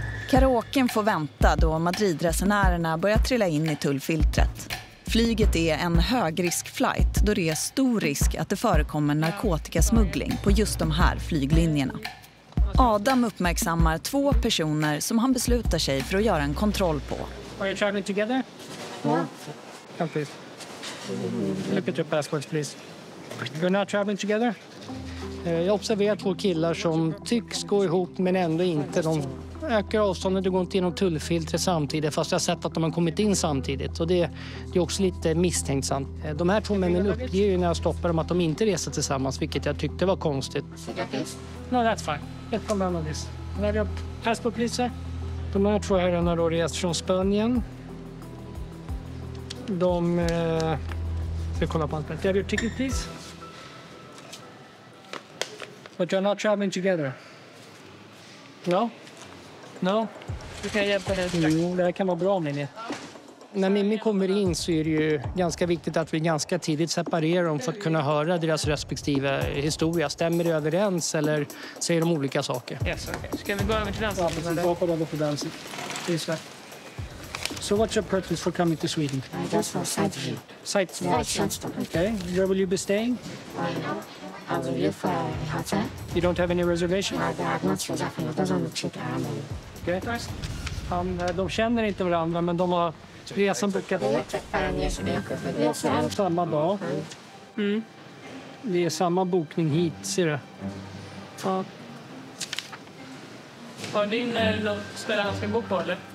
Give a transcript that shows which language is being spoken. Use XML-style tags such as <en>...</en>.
<sv>Karaoken får vänta då Madrid-resenärerna börjar trilla in i tullfiltret. Flyget är en högriskflight då det är stor risk att det förekommer narkotikasmuggling på just de här flyglinjerna. Adam uppmärksammar två personer som han beslutar sig för att göra en kontroll på.</sv> <en>Are you traveling together? Yeah. Come please. Look at your passports please. You're not traveling together?</en> <sv>Jag observerar två killar som tycks gå ihop men ändå inte. De ökar avståndet och går inte genom tullfiltret samtidigt fast jag har sett att de har kommit in samtidigt. Och det är också lite misstänksamt. De här två männen uppger ju när jag stoppar dem att de inte reser tillsammans, vilket jag tyckte var konstigt.</sv> <en>No, that's fine.</en> <sv>Ett problem med</sv> <en>this.</en> <sv>Har vi</sv> <en>passport, please?</en> <sv>De här två herrarna har rest från Spanien. De... Ska kolla på</sv> <en>passport.</en> <sv>Har vi</sv> <en>ticket, please? But you're not traveling together. No? No? Okay,</en> <sv>det här kan vara bra, Mimmi. När Mimmi kommer in så är det ju ganska viktigt att vi ganska tidigt separerar dem för att kunna höra deras respektive historia. Stämmer det överens eller säger de olika saker?</sv> <en>Yes, okay.</en> <sv>Ska vi gå över till den sidan? Ja, precis. Bakom så</sv> <en>so what's your purpose for coming to Sweden? Just for sightseeing. Sightseeing. Sightseeing. Okay. Where will you be staying? I will be for hotel. You don't have any reservation? No, I'm not reserving. It doesn't look cheap. Okay.</en> <sv>De känner inte varandra, men de har resan bokat. Det är samma dag. Mm. Det är samma bokning hit, ser du? Ja. Har ni något ställe han ska bo på, eller?</sv>